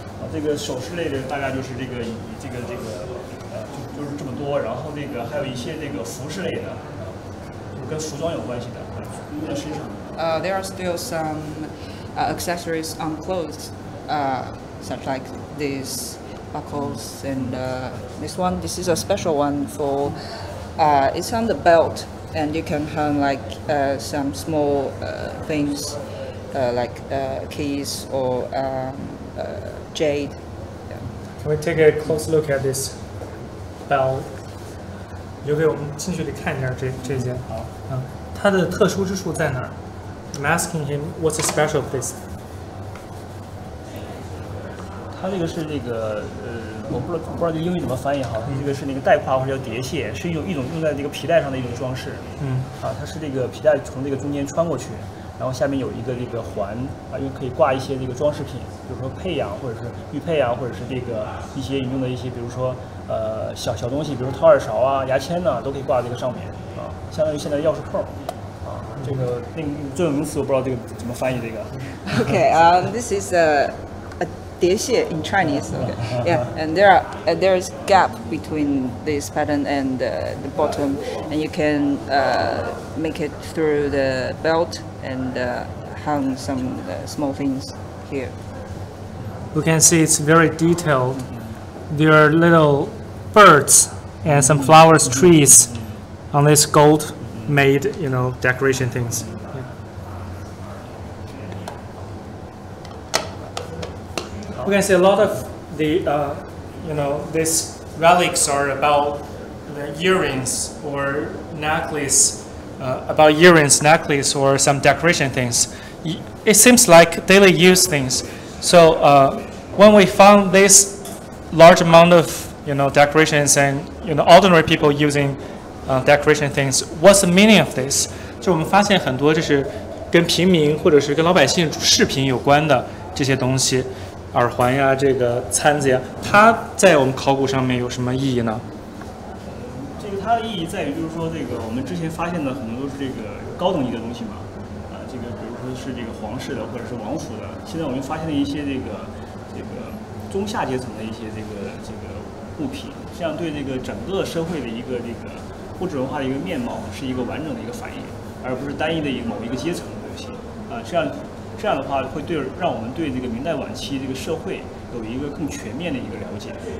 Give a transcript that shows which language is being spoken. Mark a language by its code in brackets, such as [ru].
[zh] 这个首饰类的大概就是这个就是这么多，然后那个还有一些这个服饰类的，就跟服装有关系的，用在身上。 [en] There are still some accessories on clothes, such like these buckles and this one. This is a special one for it's on the belt, and you can hang like some small things like keys or. Jade. Yeah. Can we take a close look at this bell? [zh] 留给我们近距离看一下这件。好。它的特殊之处在哪儿 [en] ？I'm asking him what's the special of this. [zh] 它这个是这个我不知道这英语怎么翻译哈。它这个是那个带挎或者叫叠线，是一种用在这个皮带上的一种装饰。嗯。啊，它是这个皮带从这个中间穿过去。然后下面有一个这个环啊，又可以挂一些这个装饰品，比如说佩呀，或者是玉佩呀，或者是这个一些用的一些，比如说小东西，比如说掏耳勺啊、牙签呢、啊，都可以挂这个上面啊，相当于现在钥匙扣啊。这个那个专有名词我不知道这个怎么翻译这个。 [en] Okay, this is a 叠线 in Chinese. Okay, yeah, and there is gap between this pattern and the bottom, and you can make it through the belt. And hung some small things here. We can see it's very detailed. There are little birds and some flowers, trees on this gold made, you know, decoration things. we can see a lot of the, you know, these relics are about the earrings or necklace, about earrings, necklace, or some decoration things. It seems like daily use things. So when we found this large amount of, you know, decorations and, you know, ordinary people using decoration things, what's the meaning of this? [zh] 就我们发现很多就是跟平民或者是跟老百姓饰品有关的这些东西，耳环呀，这个餐子呀，它在我们考古上面有什么意义呢？这个它的意义在于，就是说这个我们之前发现的很多都是这个高等级的东西嘛，这个比如说是这个皇室的或者是王府的，现在我们发现了一些这个中下阶层的一些这个物品，这样对这个整个社会的一个这个物质文化的一个面貌是一个完整的一个反应，而不是单一的一个某一个阶层的东西，这样的话会对让我们对这个明代晚期这个社会有一个更全面的一个了解。